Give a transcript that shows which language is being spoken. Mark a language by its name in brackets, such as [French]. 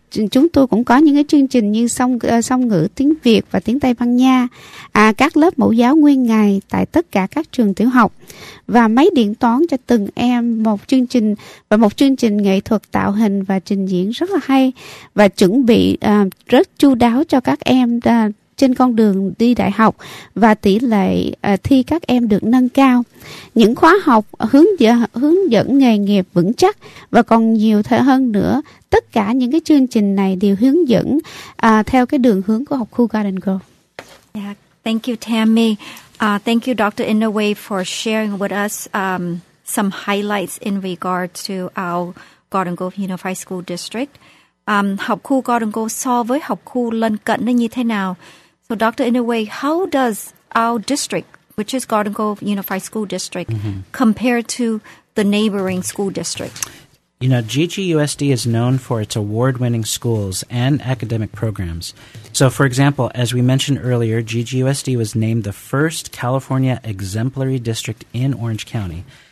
[Vietnamese] Chúng tôi cũng có những cái chương trình như song ngữ tiếng Việt và tiếng Tây Ban Nha, các lớp mẫu giáo nguyên ngày tại tất cả các trường tiểu học và máy điện toán cho từng em, một chương trình và một chương trình nghệ thuật tạo hình và trình diễn rất là hay và chuẩn bị rất chu đáo cho các em trên con đường đi đại học và tỷ lệ thi các em được nâng cao. Những khóa học hướng dẫn nghề nghiệp vững chắc và còn nhiều hơn nữa, tất cả những cái chương trình này đều hướng dẫn theo cái đường hướng của học khu Garden Grove. [English] Yeah, thank you Tammy. Thank you Dr. Inoue for sharing with us some highlights in regard to our Garden Grove Unified School District. [Vietnamese] Học khu Garden Grove so với học khu lân cận nó như thế nào? [English] So, Dr. Inoue, how does our district, which is Garden Grove Unified School District, mm-hmm. compare to the neighboring school district? You know, GGUSD is known for its award-winning schools and academic programs. So, for example, as we mentioned earlier, GGUSD was named the first California exemplary district in Orange County.